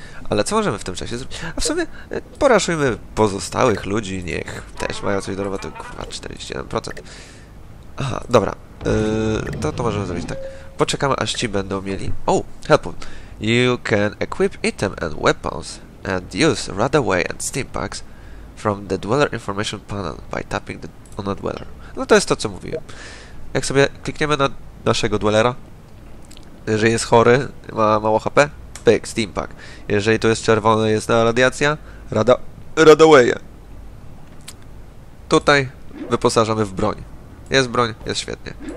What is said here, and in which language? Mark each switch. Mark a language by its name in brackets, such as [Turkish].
[Polish] Ale co możemy w tym czasie zrobić? A w sumie poraszujmy pozostałych ludzi, niech też mają coś do roboty. Kurwa, 41%. Aha, dobra. To możemy zrobić tak. Poczekamy, aż ci będą mieli... [English] Oh, help one. You can equip item and weapons and use Radaway and Steam Packs from the Dweller Information Panel by tapping the on the Dweller. [Polish] No to jest to, co mówiłem. Jak sobie klikniemy na naszego Dwellera, jeżeli jest chory, ma mało HP, pyk, Steam Pack. Jeżeli tu jest czerwone, jest na radiacja, Radaway. Tutaj wyposażamy w broń. Jest broń, jest świetnie.